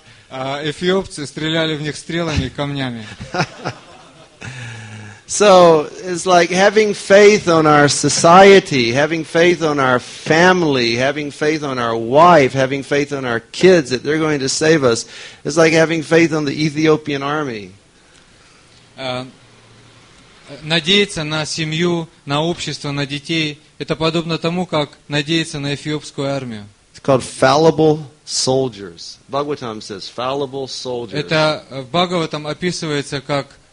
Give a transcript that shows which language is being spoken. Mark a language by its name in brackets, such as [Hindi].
[Russian] Эфиопцы стреляли в них стрелами и камнями. [English] So it's like having faith on our society, having faith on our family, having faith on our wife, having faith on our kids that they're going to save us. It's like having faith on the Ethiopian army. [Russian] Надеяться на семью, на общество, на детей – это подобно тому, как надеяться на эфиопскую армию. [English] It's called fallible soldiers. Bhagavatam says fallible soldiers. [Russian] Это в Бхагаватам описывается как